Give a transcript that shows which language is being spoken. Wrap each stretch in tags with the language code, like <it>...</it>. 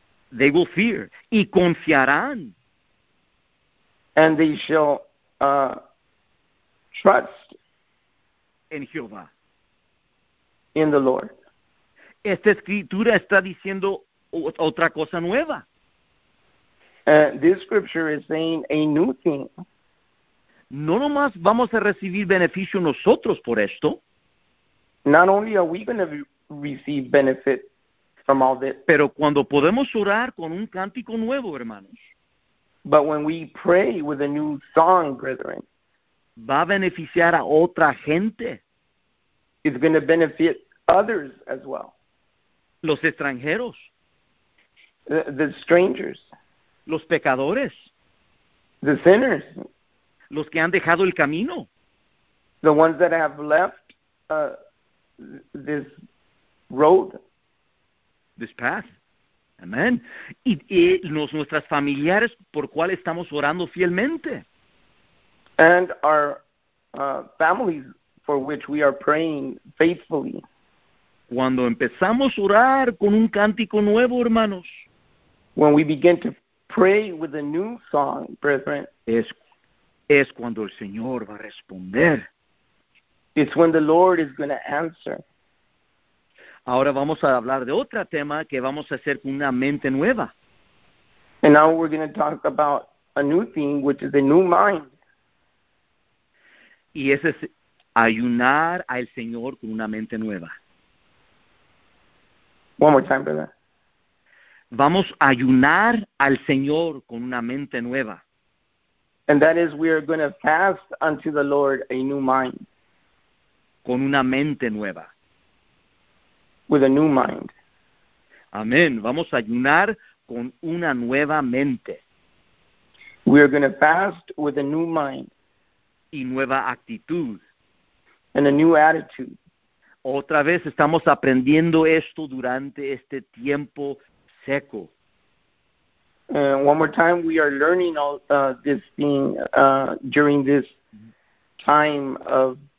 <en>They will fear.</en> <es>Y confiarán.</es> <en>And they shall trust</en> <es>en Jehová,</es> <en>in the Lord.</en> <es>Esta escritura está diciendo otra cosa nueva.</es> <en>This scripture is saying a new thing.</en> <es>No nomás vamos a recibir beneficio nosotros por esto.</es> <en>Not only are we going to receive benefit from all this.</en> <es>Pero cuando podemos orar con un cántico nuevo, hermanos.</es> <en>But when we pray with a new song, brethren.</en> <es>Va a beneficiar a otra gente.</es> <en>It's going to benefit others as well.</en> <es>Los extranjeros.</es> <en>The strangers.</en> <es>Los pecadores.</es> <en>The sinners.</en> <es>Los que han dejado el camino.</es> <en>The ones that have left this road. This path. Amen.</en> <es>Y nuestras familiares por cual estamos orando fielmente.</es> <en>And our families for which we are praying faithfully.</en> <es>Cuando empezamos a orar con un cántico nuevo, hermanos.</es> <en>When we begin to pray with a new song, brethren.</en> <es>Es cuando el Señor va a responder.</es> <en>It's when the Lord is going to answer.</en> <es>Ahora vamos a hablar de otro tema que vamos a hacer con una mente nueva.</es> <en>And now we're going to talk about a new thing, which is a new mind.</en> <es>Y ese es ayunar al Señor con una mente nueva.</es> <en>One more time, brother.</en> <es>Vamos a ayunar al Señor con una mente nueva.</es> <en>And that is, we are going to fast unto the Lord a new mind.</en> <es>Con una mente nueva.</es> <en>With a new mind.</en> <es>Amén. Vamos a ayunar con una nueva mente.</es> <en>We are going to fast with a new mind.</en> <es>Y nueva actitud.</es> <en>And a new attitude.</en> <es>Otra vez estamos aprendiendo esto durante este tiempo seco.</es> <en>One more time, we are learning all this thing during this time of</en>